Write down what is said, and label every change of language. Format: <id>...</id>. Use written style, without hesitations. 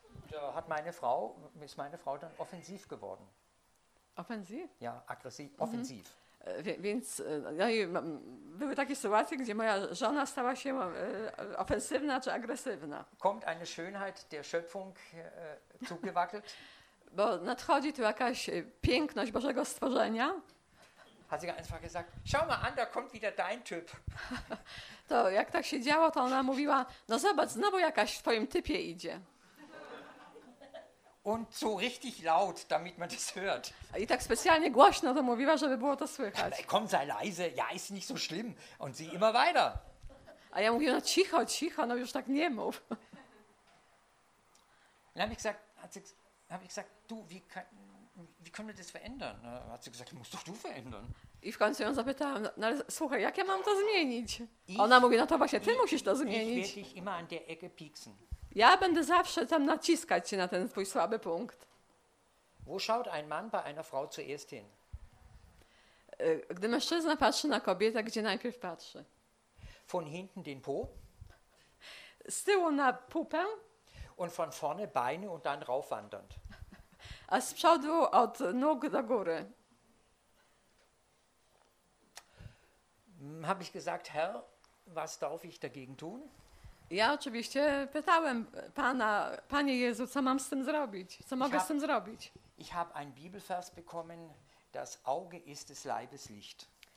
<de>Da hat meine Frau, ist meine Frau dann offensiv geworden. Offensiv? Ja, aggressiv, offensiv.</de> <pl>Więc no i były takie sytuacje, gdzie moja żona stała się ofensywna czy agresywna.</pl> <de>Kommt eine Schönheit der Schöpfung zugewackelt?</de> <pl>Bo nadchodzi tu jakaś piękność Bożego stworzenia.</pl> <de>Hat sie einfach gesagt, schau mal an, da kommt wieder dein Typ.</de> <pl>To jak tak się działo, to ona mówiła, no zobacz, znowu jakaś w twoim typie idzie.</pl> <de>Und so richtig laut, damit man das hört.</de> <pl>I tak specjalnie głośno to mówiła, żeby było to słychać.</pl> <de>Komm, sei leise, ja, ist nicht so schlimm. Und sie immer weiter.</de> <pl>A ja mówiłam, no cicho, cicho, no już tak nie mów.</pl> <de>Dann habe ich gesagt, du, wie können wir das verändern? Hat sie gesagt, musst doch du verändern.</de> <pl>I w końcu ją zapytałam, no ale słuchaj, jak ja mam to zmienić? Ona mówi, no to właśnie ty musisz to zmienić.</pl> <de>Ich werde dich immer an der Ecke pieksen.</de> <pl>Ja będę zawsze tam naciskać się na ten twój słaby punkt.</pl> <de>Wo schaut ein Mann bei einer Frau zuerst hin?</de> <pl>Gdy mężczyzna patrzy na kobietę, gdzie najpierw patrzy?</pl> <de>Von hinten den Po.</de> <pl>Z tyłu na pupę.</pl> <de>Und von vorne Beine und dann raufwandernd.</de> <pl>A z przodu od nóg do góry.</pl> <de>Hab ich gesagt, Herr, was darf ich dagegen tun?</de> <pl>Ja oczywiście pytałem Pana, Panie Jezu, co mam z tym zrobić? Co mogę z tym zrobić?</pl> <de>Ich habe einen Bibelvers bekommen, das Auge ist des Leibes Licht.</de>